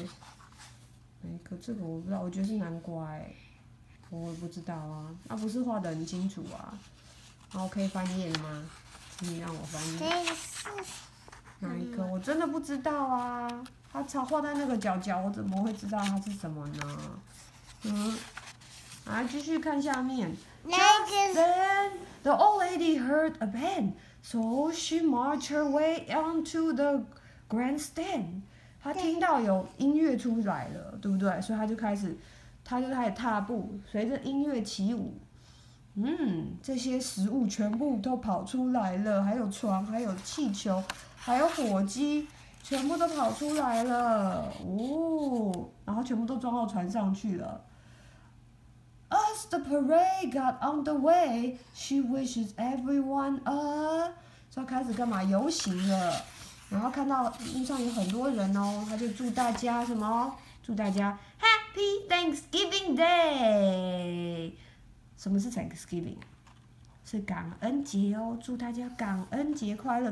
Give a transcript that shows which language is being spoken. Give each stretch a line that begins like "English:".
Chinese: 哎、欸，可这个我不知道，我觉得是南瓜哎、欸，我也不知道啊，那、啊、不是画得很清楚啊，然后可以翻页吗？请你让我翻页。哪一颗、嗯？我真的不知道啊，它超画在那个角角，我怎么会知道它是什么呢？嗯，来继续看下面。
English: Just then, the old lady heard a band, so she marched her way onto the grandstand.
Chinese: 他听到有音乐出来了，对不对？所以他就开始踏步，随着音乐起舞。嗯，这些食物全部都跑出来了，还有床，还有气球，还有火鸡，全部都跑出来了。哦，然后全部都装到船上去了。
English: As the parade got underway, she wishes everyone a.
Chinese: 所以开始干嘛？游行了。然后看到路上有很多人哦，他就祝大家什么？祝大家
English: Happy Thanksgiving Day。
Chinese: 什么是 Thanksgiving？是感恩节哦，祝大家感恩节快乐。